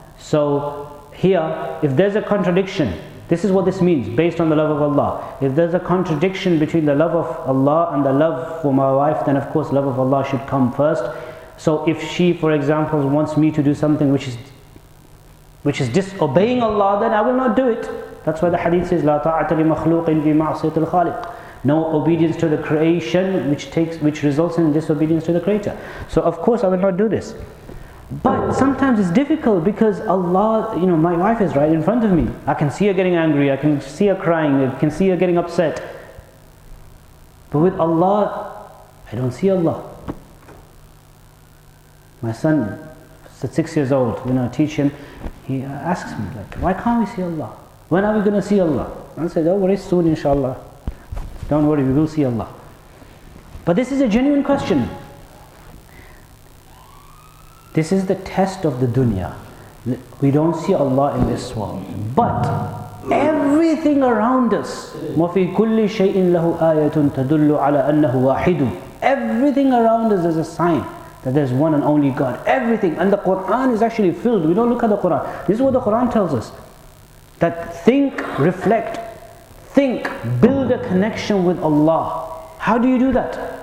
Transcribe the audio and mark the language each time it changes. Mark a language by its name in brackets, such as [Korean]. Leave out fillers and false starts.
[English] So here, if there's a contradiction, this is what this means, based on the love of Allah. If there's a contradiction between the love of Allah and the love for my wife, then of course love of Allah should come first. So if she, for example, wants me to do something which is disobeying Allah, then I will not do it. That's why the hadith says, [Arabic] لا طاعة لمخلوق في معصية الخالق. [English] No obedience to the creation which results in disobedience to the creator. So of course I will not do this. But sometimes it's difficult because Allah, you know, my wife is right in front of me. I can see her getting angry, I can see her crying, I can see her getting upset. But with Allah, I don't see Allah. My son, at 6 years old, when I teach him, he asks me, like, why can't we see Allah? When are we going to see Allah? I say, don't worry, soon inshallah. Don't worry, we will see Allah. But this is a genuine question. This is the test of the dunya. We don't see Allah in this world. But everything around us, [Arabic] وَفِي كُلِّ شَيْءٍ لَهُ آيَةٌ تَدُلُّ عَلَىٰ أَنَّهُ وَاحِدٌ. [English] Everything around us is a sign that there's one and only God. Everything. And the Quran is actually filled. We don't look at the Quran. This is what the Quran tells us. That think, reflect, think, build a connection with Allah. How do you do that?